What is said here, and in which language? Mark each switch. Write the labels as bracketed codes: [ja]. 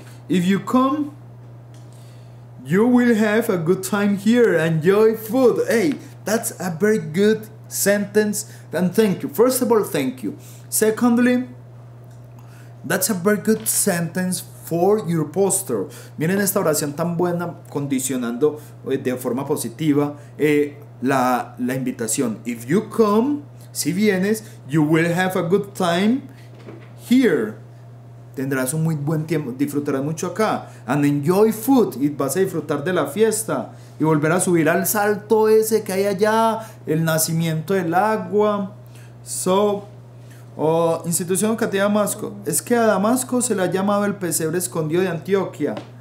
[en] If you come... You will have a good time here. Enjoy food. Hey, that's a very good sentence. And thank you. First of all, thank you. Secondly, that's a very good sentence for your poster. [es] Miren esta oración tan buena, condicionando de forma positiva la invitación. [en] If you come, [es] si vienes, [en] you will have a good time here. [es] Tendrás un muy buen tiempo, disfrutarás mucho acá. [en] And enjoy food, [es] y vas a disfrutar de la fiesta. Y volver a subir al salto ese que hay allá, el nacimiento del agua. So, institución educativa Damasco. Es que a Damasco se le ha llamado el pesebre escondido de Antioquia.